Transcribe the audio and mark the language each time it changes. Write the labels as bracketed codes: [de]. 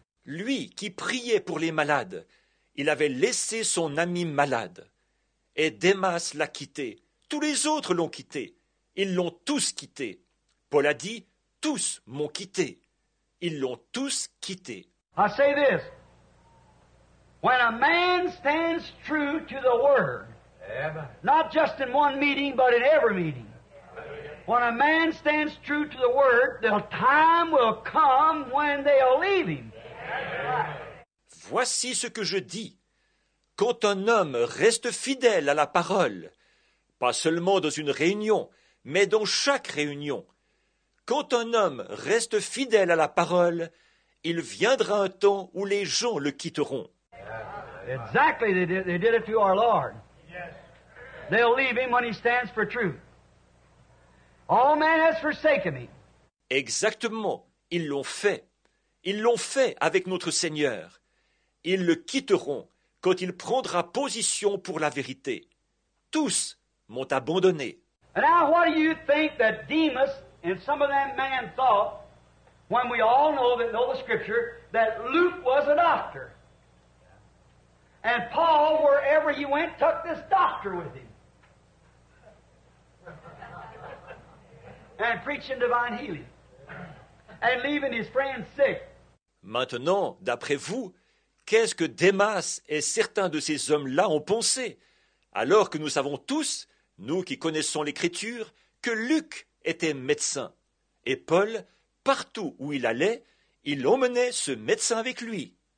[fr] Lui qui priait pour les malades, il avait laissé son ami malade. Et Demas l'a quitté. Tous les autres l'ont quitté. Ils l'ont tous quitté. Paul a dit, tous m'ont quitté. Ils l'ont tous quitté. [en] I say this. When a man stands true to the word, not just in one meeting, but in every meeting, when a man stands true to the word, the time will come when they'll leave him. [fr] Voici ce que je dis. Quand un homme reste fidèle à la parole, pas seulement dans une réunion, mais dans chaque réunion, quand un homme reste fidèle à la parole, il viendra un temps où les gens le quitteront. [en] Exactly, they did it to our Lord. They'll leave him when he stands for truth. All man has forsaken me. [fr] Exactement, ils l'ont fait. Ils l'ont fait avec notre Seigneur. Ils le quitteront quand il prendra position pour la vérité. Tous m'ont abandonné. [en] And now what do you think that Demas and some of that man thought when we all know the scripture that Luke was a doctor? And Paul, wherever he went, took this doctor with him. And preaching divine healing. And leaving his friend sick. [fr] Maintenant, d'après vous, qu'est-ce que Demas et certains de ces hommes-là ont pensé, alors que nous savons tous, nous qui connaissons l'Écriture, que Luc était médecin. Et Paul, partout où il allait, il emmenait ce médecin avec lui.